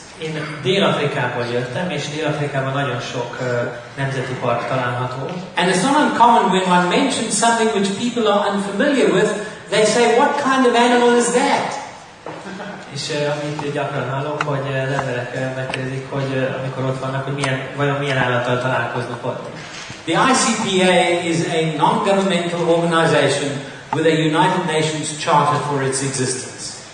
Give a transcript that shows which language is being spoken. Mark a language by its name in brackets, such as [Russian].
[Hungarian] Én Dél-Afrikából jöttem, és Dél-Afrikában nagyon sok nemzeti park található. [English] And it's not uncommon when one mentions something which people are unfamiliar with, they say, what kind of animal is that? [Hungarian] És amit gyakran hallok, hogy az emberek megkérdezik, hogy amikor ott vannak, hogy milyen, vajon milyen állattal találkoznak ott. [English] The ICPA is a non-governmental organization with a United Nations charter for its existence.